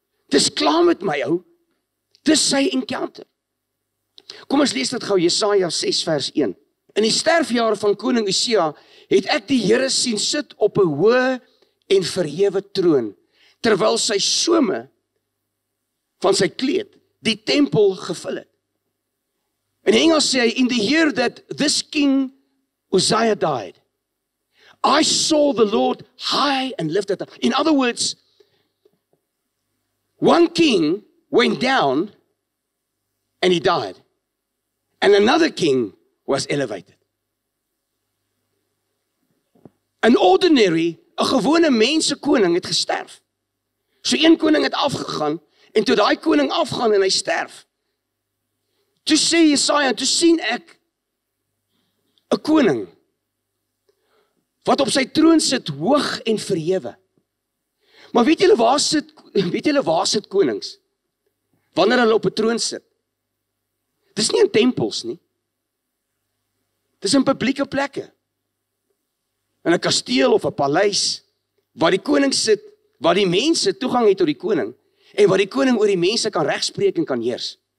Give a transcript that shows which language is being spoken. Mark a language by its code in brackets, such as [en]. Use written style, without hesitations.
[af] Dis klaar met my ou. Dis sy encounter. Kom ons lees dit gauw, Jesaja 6 vers 1. In die sterfjare van koning Usia het ek die Here sien sit op 'n hoë en verhewe troon, terwyl sy sjome van sy kleed die tempel gevul het. In Engels sê hy, [en] in the year that this king Uzziah died, I saw the Lord high and lifted up. In other words, one king went down and he died. And another king was elevated. An ordinary, [af] 'n gewone mense koning het gesterf. So een koning het afgegaan, en toe daai koning afgaan en hy sterf. Toe sê Jesaja, toe sien ek 'n koning wat op sy troon sit hoog en verhewe. Maar weet julle waar sit konings? Wanneer hulle op 'n troon sit? Dis nie in tempels nie. Dis in publieke plekke. In 'n kasteel of 'n paleis, waar die koning sit, waar die mense toegang het tot die koning, en waar die koning oor die mense kan regspreek en kan heers.